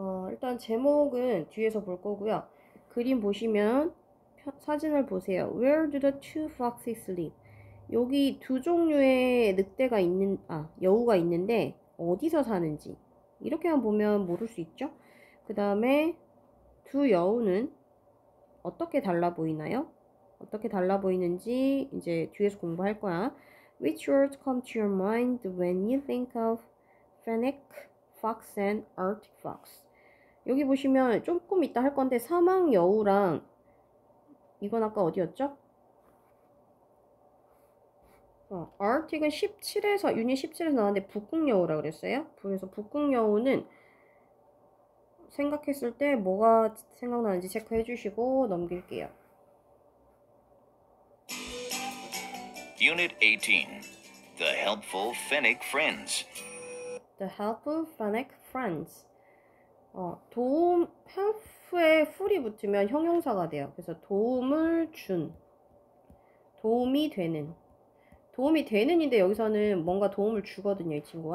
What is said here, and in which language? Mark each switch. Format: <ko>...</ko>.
<ko>일단 제목은 뒤에서 볼 거고요. 그림 보시면 사진을 보세요.</ko> <en>Where do the two foxes sleep?</en> <ko>여기 두 종류의 늑대가 있는, 여우가 있는데 어디서 사는지 이렇게만 보면 모를 수 있죠. 그 다음에 두 여우는 어떻게 달라 보이나요? 어떻게 달라 보이는지 이제 뒤에서 공부할 거야.</ko> <en>Which words come to your mind when you think of fennec fox and arctic fox?</en> <ko>여기 보시면 조금 이따 할 건데 사망 여우랑 이건 아까 어디였죠? Arctic은 17에서 유닛 17에서 나왔는데 북극 여우라 그랬어요. 그래서 북극 여우는 생각했을 때 뭐가 생각나는지 체크해 주시고 넘길게요.</ko> <en>Unit 18. The Helpful Fennec Friends. The helpful fennec friends.</en> <ko>도움, help에 full이 붙으면 형용사가 돼요. 그래서 도움을 준. 도움이 되는. 도움이 되는인데 여기서는 뭔가 도움을 주거든요, 이 친구가.</ko>